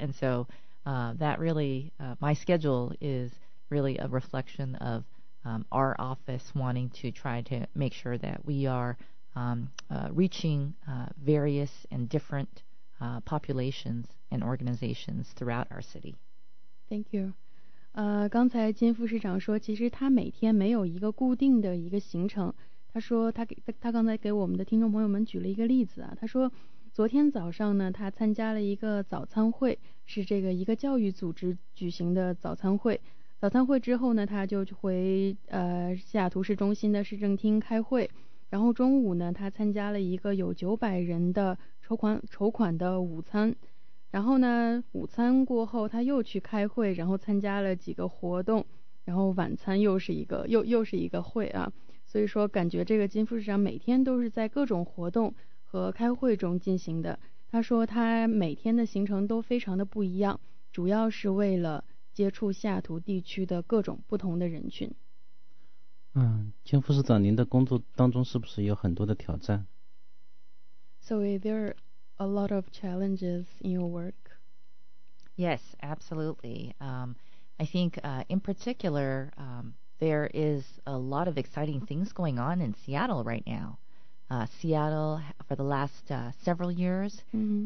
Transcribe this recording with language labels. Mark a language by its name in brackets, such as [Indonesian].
[English] And so that really, my schedule is... really a reflection of our office wanting to try to make sure that we are reaching various and different populations and organizations throughout our city. Thank you. [Chinese] 刚才金副市长说其实他每天没有一个固定的一个行程，他说他刚才给我们的听众朋友们举了一个例子啊，他说昨天早上呢他参加了一个早餐会，是这个一个教育组织举行的早餐会。早餐会之后呢，他就回西雅图市中心的市政厅开会，然后中午呢，他参加了一个有900人的筹款的午餐，然后呢，午餐过后他又去开会，然后参加了几个活动，然后晚餐又是一个会啊，所以说感觉这个金副市长每天都是在各种活动和开会中进行的。他说他每天的行程都非常的不一样，主要是为了。接触西雅图地区的各种不同的人群。金副市长，您的工作当中是不是有很多的挑战 [English] ？So, are there a lot of challenges in your work? Yes, absolutely. I think in particular, there is a lot of exciting things going on in Seattle right now. Seattle, for the last several years, mm-hmm.